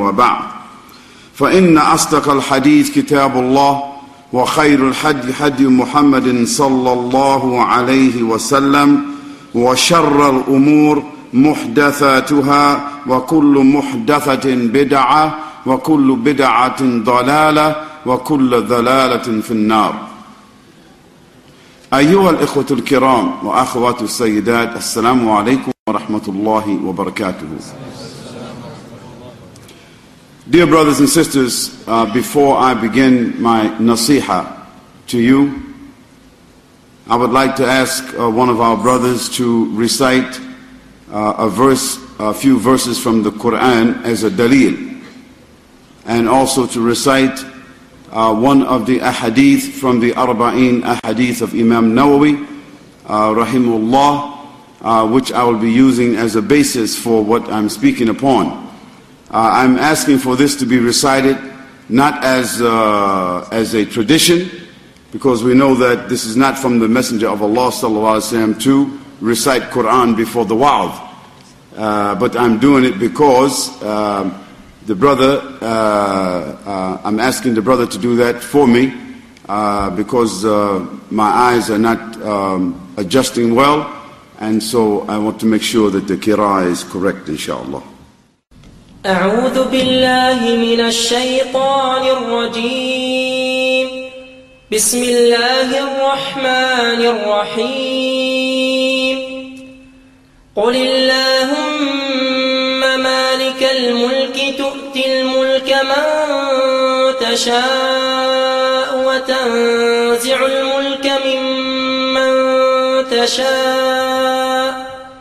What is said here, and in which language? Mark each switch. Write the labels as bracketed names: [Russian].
[Arabic] وبعد، فإن أصدق الحديث كتاب الله وخير الحدي حدي محمد صلى الله عليه وسلم وشر الأمور محدثاتها وكل محدثة بدعة وكل بدعة ضلالة وكل ضلالة في النار. أيها الإخوة الكرام وأخوات السيدات، السلام عليكم ورحمة الله وبركاته. [English] Dear brothers and sisters, before I begin my nasiha to you, I would like to ask one of our brothers to recite a few verses from the Quran as a dalil, and also to recite one of the ahadith from the Arba'een ahadith of Imam Nawawi, rahimullah, which I will be using as a basis for what I'm speaking upon. I'm asking for this to be recited not as a tradition, because we know that this is not from the Messenger of Allah sallallahu alaihi wasallam to recite Quran before the wa'z. But I'm doing it because I'm asking the brother to do that for me, because my eyes are not adjusting well, and so I want to make sure that the qira'ah is correct, inshallah. [Arabic] أعوذ بالله من الشيطان الرجيم. بسم الله الرحمن الرحيم. قل اللهم مالك الملك تؤتي الملك من تشاء وتنزع الملك ممن تشاء